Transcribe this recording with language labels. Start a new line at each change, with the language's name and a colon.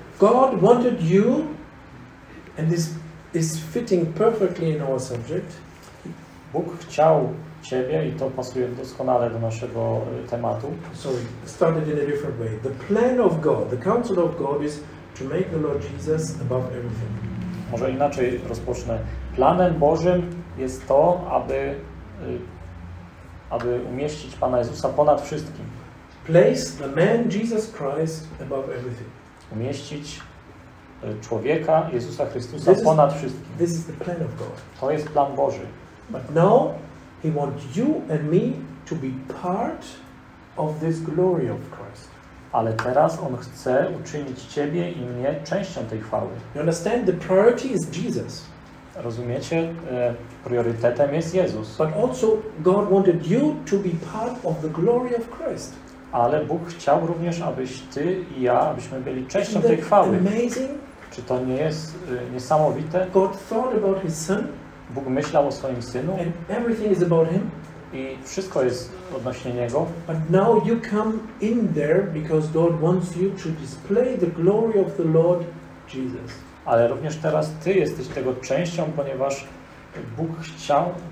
English: God wanted you, and this is fitting perfectly in our subject.
Polish: Bóg chciał ciebie i to pasuje doskonale do naszego tematu.
English: Sorry, started in a different way. The plan of God, the counsel of God is to make the Lord Jesus above everything.
Polish: Może inaczej rozpocznę. Planem Bożym jest to, aby umieścić Pana Jezusa ponad wszystkim.
English: Place the man Jesus Christ above everything.
Polish: Umieścić człowieka Jezusa Chrystusa ponad wszystkim.
English: This is the plan of God.
Polish: To jest plan Boży.
English: But now he wants you and me to be part of this glory of Christ.
Polish: Ale teraz on chce uczynić ciebie i mnie częścią tej chwały.
English: You understand the priority is Jesus.
Polish: Rozumiecie, priorytetem jest Jezus.
English: But also God wanted you to be part of the glory of Christ.
Polish: Ale Bóg chciał również, abyś ty i ja, abyśmy byli częścią tej chwały.
English: Amazing?
Polish: Czy to nie jest niesamowite?
English: God thought about his son.
Polish: Bóg myślał o swoim synu.
English: And everything is about him.
Polish: I wszystko jest odnośnie niego.
English: But now you come in there because God wants you to display the glory of the Lord Jesus.
Polish: Ale również teraz ty jesteś tego częścią, ponieważ Bóg chciał.